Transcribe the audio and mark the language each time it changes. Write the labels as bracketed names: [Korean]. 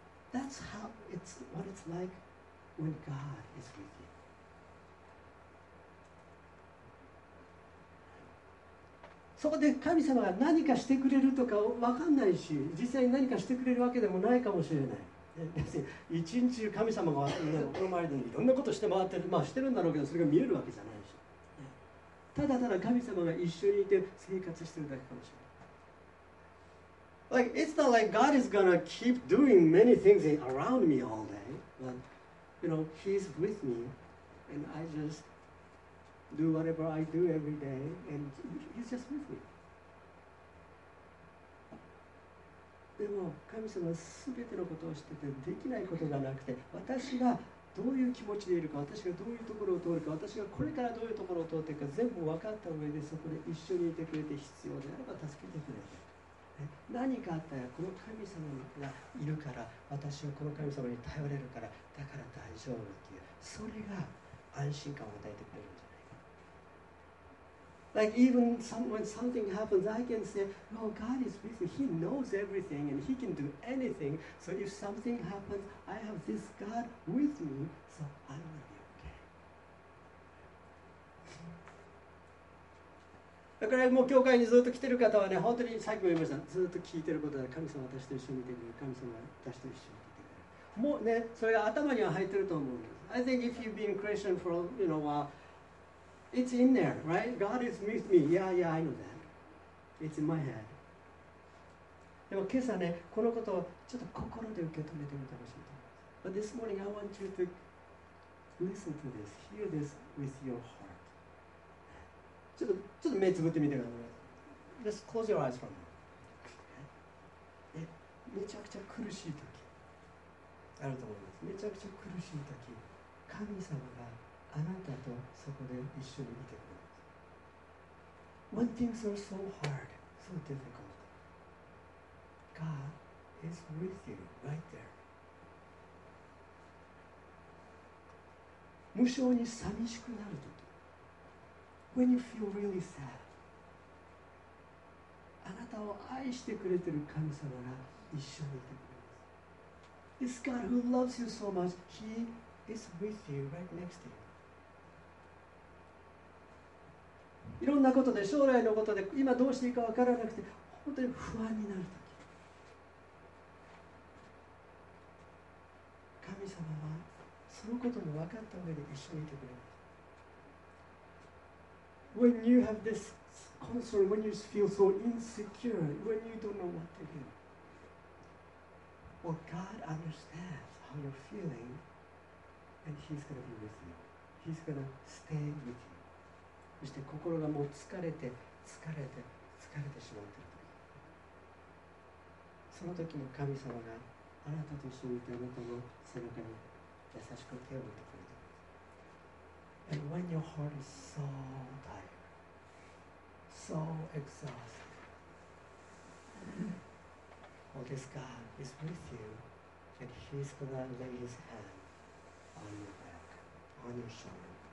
[English] That's how it's what it's like when God is with you. [Japanese] そこで神様が何かしてくれるとか分かんないし、実際に何かしてくれるわけでもないかもしれない。一日中神様がこの周りでいろんなことして回ってる、まあしてるんだろうけど、それが見えるわけじゃないし。ただただ神様が一緒にいて生活してるだけかもしれない。 [English] Like, it's not like God is gonna keep doing many things around me all day, but, you know, He's with me, and I just do whatever I do every day, and He's just with me. [Japanese] でも、神様は全てのことをしてて、できないことがなくて、私がどういう気持ちでいるか、私がどういうところを通るか、私がこれからどういうところを通っていくか、全部分かった上で、そこで一緒にいてくれて必要であれば助けてくれる。何かあったらこの神様がいるから私はこの神様に頼れるからだから大丈夫っていうそれが安心感を与えてくれるんじゃないか。 [English] Like even when something happens I can say well God is with me He knows everything and He can do anything So if something happens I have this God with me So I will be okay. [Japanese] だからもう教会にずっと来てる方はね、本当にさっきも言いました、ずっと聞いてることは神様私と一緒にいてくれる、神様私と一緒にいてくれる。もうね、それが頭には入ってると思うんです。 [English] I think if you've been Christian for, you know, it's in there, right? God is with me. Yeah, yeah, I know that. It's in my head. [Japanese] でも今朝ね、このことをちょっと心で受け止めてみてほしいと思います。 [English] But this morning I want you to listen to this, hear this with your heart. [Japanese] ちょっと目つぶってみてください。 [English] Just close your eyes for a moment. [Japanese] めちゃくちゃ苦しい時あると思います。めちゃくちゃ苦しい時、神様があなたとそこで一緒にいてくれます。 [English] When things are so hard, so difficult, God is with you right there. [Japanese] 無性に寂しくなるとき、 [English] When you feel really sad、 [Japanese] あなたを愛してくれてる神様が一緒にいてくれます。 [English] This God who loves you so much, He is with you right next to you。 [Japanese] いろんなことで、将来のことで、今どうしていいか分からなくて本当に不安になるとき、神様はそのことも分かった上で一緒にいてくれます。 [English] When you have this concern, when you feel so insecure, when you don't know what to do, well, God understands how you're feeling, and He's gonna be with you. He's gonna stay with you. [Japanese] そして心がもう疲れて、疲れて、疲れてしまっている時、その時も神様があなたと一緒にいて、あなたの背中に優しく手を置いてくれています。 [English] And when your heart is so tired, so exhausted, well, this God is with you, and He's gonna lay His hand on your back, on your shoulder.